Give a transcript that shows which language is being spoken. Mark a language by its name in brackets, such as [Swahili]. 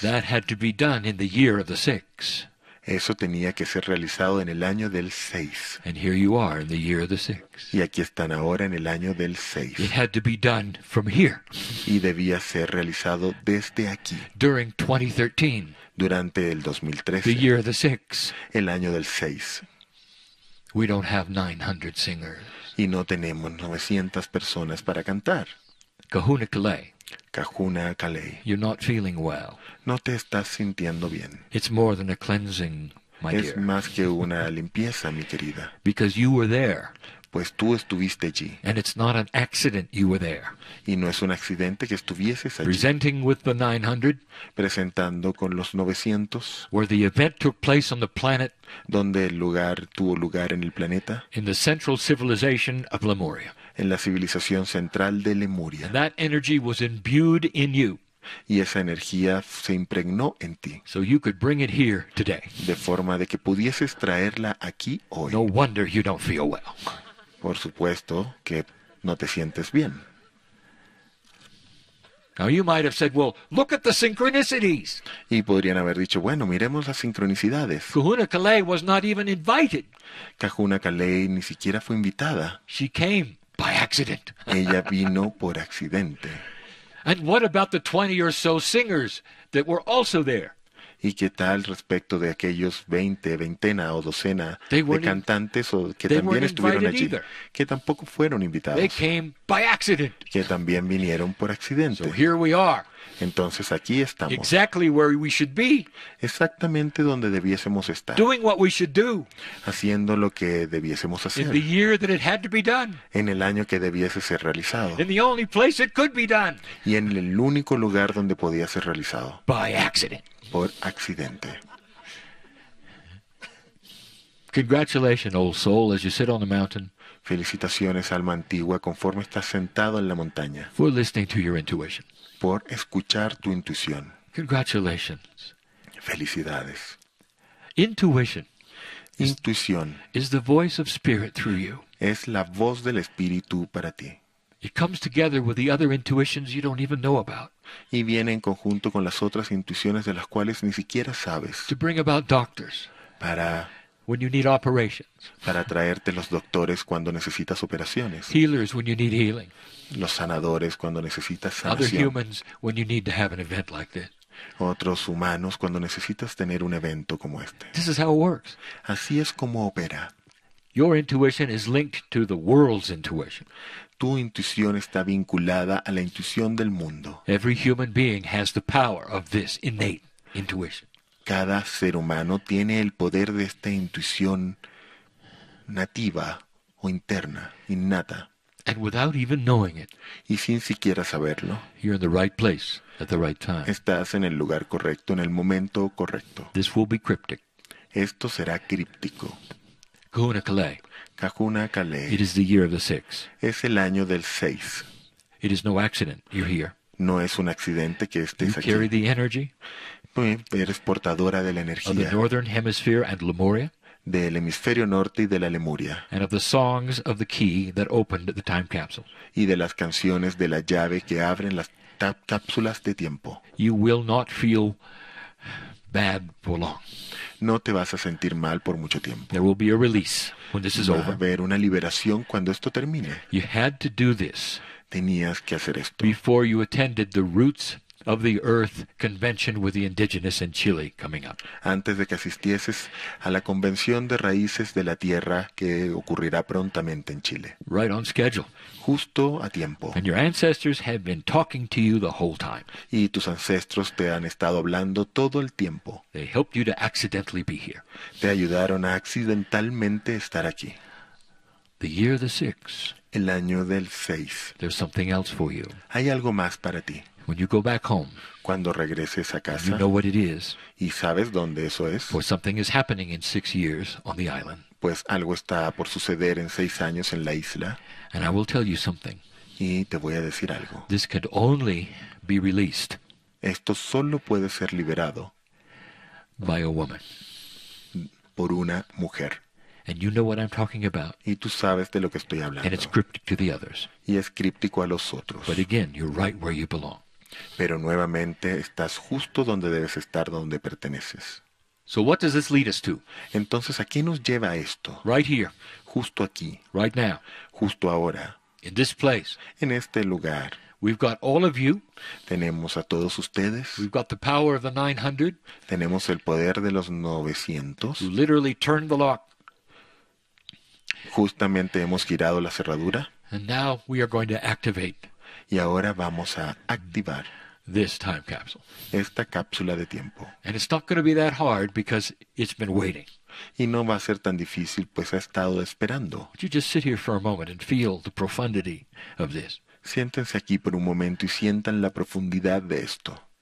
[English] That had to be done in the year of the six. [Spanish] Eso tenía que ser realizado en el año del seis. [English] And here you are in the year of the six. [Spanish] Y aquí están ahora en el año del seis. [English] It had to be done from here. [Spanish] Y debía ser realizado desde aquí. [English] During 2013. [Spanish] Durante el 2013. [English] The year of the six. [Spanish] El año del seis. [English] We don't have 900 singers. [Spanish] Y no tenemos 900 personas para cantar. [English] Kahuna Kalei. [Spanish] Kahuna Kalei. [English] You're not feeling well. [Spanish] No te estás sintiendo bien. [English] It's more than a cleansing, my [Spanish] es [English] dear. [Spanish] Es más que una limpieza, mi querida. [English] Because you were there. [Spanish] pues tú estuviste allí. [English] And it's not an accident you were there. [Spanish] Y no es un accidente que estuvieses allí. [English] Presenting with the 900, [Spanish] presentando con los 900, [English] where the event took place on the planet, [Spanish] donde el lugar tuvo lugar en el planeta, [English] in the central civilization of Lemuria. [Spanish] En la civilización central de Lemuria. [English] And that energy was imbued in you. [Spanish] Y esa energía se impregnó en ti. [English] So you could bring it here today. [Spanish] De forma de que pudieses traerla aquí hoy. [English] No wonder you don't feel well. [Spanish] Por supuesto que no te sientes bien. [English] Now you might have said, well, look at the synchronicities. [Spanish] Y podrían haber dicho, bueno, miremos las sincronicidades. [English] Kahuna Kalei was not even invited. [Spanish] Kahuna Kalei ni siquiera fue invitada. [English] She came by accident. [Spanish] Ella vino por accidente. [English] And what about the 20 or so singers that were also there? [Spanish] ¿Y qué tal respecto de aquellos 20, veintena o docena de cantantes o que también estuvieron allí? [English] Either. [Spanish] Que tampoco fueron invitados. [English] They came by accident. [Spanish] Que también vinieron por accidente. [English] So here we are. [Spanish] Entonces aquí estamos. [English] Exactly where we should be. [Spanish] Exactamente donde debiésemos estar. [English] Doing what we should do. [Spanish] Haciendo lo que debiésemos hacer. [English] In the year that it had to be done. [Spanish] En el año que debiese ser realizado. [English] In the only place it could be done. [Spanish] Y en el único lugar donde podía ser realizado. [English] By accident. [Spanish] Por accidente. [English] Congratulations, old soul, as you sit on the mountain. [Spanish] Felicitaciones, alma antigua, conforme estás sentado en la montaña. [English] For listening to your intuition. [Spanish] Por escuchar tu intuición. [English] Congratulations. [Spanish] Felicidades. [English] Intuition. [Spanish] Intuición. [English] Is the voice of spirit through you. [Spanish] Es la voz del espíritu para ti. [English] It comes together with the other intuitions you don't even know about. [Spanish] Y viene en conjunto con las otras intuiciones de las cuales ni siquiera sabes. [English] To bring about doctors. [Spanish] Para. [English] When you need operations. [Spanish] Para traerte los doctores cuando necesitas operaciones. [English] Healers when you need healing. [Spanish] Los sanadores cuando necesitas sanación. [English] Other humans when you need to have an event like this. [Spanish] Otros humanos cuando necesitas tener un evento como este. [English] This is how it works. [Spanish] Así es como opera. [English] Your intuition is linked to the world's intuition. [Spanish] Tu intuición está vinculada a la intuición del mundo. [English] Every human being has the power of this innate intuition. [Spanish] Cada ser humano tiene el poder de esta intuición nativa o interna, innata. [English] And without even knowing it. [Spanish] Y sin siquiera saberlo. [English] You're in the right place at the right time. [Spanish] Estás en el lugar correcto en el momento correcto. [English] This will be cryptic. [Spanish] Esto será críptico. [English] Kahuna Kalei. [Spanish] Kahuna Kalei. [English] It is the year of the six. [Spanish] Es el año del seis. [English] It is no accident you're here. [Spanish] No es un accidente que estés [English] aquí. You carry the energy. [Spanish] Eres portadora de la energía. [English] Of the northern hemisphere and Lemuria. [Spanish] Del hemisferio norte y de la Lemuria. [English] And of the songs of the key that opened the time capsule. [Spanish] Y de las canciones de la llave que abren las cápsulas de tiempo. [English] You will not feel bad for long. [Spanish] No te vas a sentir mal por mucho tiempo. [English] There will be a release when this is over. [Spanish] Va a haber una liberación cuando esto termine. [English] You had to do this. [Spanish] Tenías que hacer esto. [English] Before you attended the Roots of the Earth convention with the indigenous in Chile coming up. [Spanish] Antes de que asistieses a la convención de raíces de la tierra que ocurrirá prontamente en Chile. [English] Right on schedule. [Spanish] Justo a tiempo. [English] And your ancestors have been talking to you the whole time. [Spanish] Y tus ancestros te han estado hablando todo el tiempo. [English] They helped you to accidentally be here. [Spanish] Te ayudaron a accidentalmente estar aquí. [English] The year of the six. [Spanish] El año del seis. [English] There's something else for you. [Spanish] Hay algo más para ti. [English] When you go back home, [Spanish] cuando regreses a casa, [English] you know what it is, [Spanish] y sabes dónde eso es, [English] for something is happening in 6 years on the island. [Spanish] Pues algo está por suceder en 6 años en la isla. [English] And I will tell you something. [Spanish] Y te voy a decir algo. [English] This can only be released. [Spanish] Esto solo puede ser liberado. [English] By a woman. [Spanish] Por una mujer. [English] And you know what I'm talking about. [Spanish] Y tú sabes de lo que estoy hablando. [English] And it's cryptic to the others. [Spanish] Y es críptico a los otros. [English] But again, you're right where you belong. [Spanish] Pero nuevamente estás justo donde debes estar, donde perteneces. [English] So what does this lead us to? [Spanish] Entonces, ¿a qué nos lleva esto? [English] Right here. [Spanish] Justo aquí. [English] Right now. [Spanish] Justo ahora. [English] In this place. [Spanish] En este lugar. [English] We've got all of you. [Spanish] Tenemos a todos ustedes. [English] We've got the power of the 900. [Spanish] Tenemos el poder de los 900. [English] You literally turned the lock. [Spanish] Justamente hemos girado la cerradura. [English] And now we are going to activate. [Spanish] Y ahora vamos a activar [English] this time capsule. [Spanish] Esta cápsula de tiempo. [English] And it's not going to be that hard because it's been waiting. [Spanish] y no va a ser tan difícil, pues ha estado esperando. Siéntense aquí por un momento y sientan la profundidad de esto.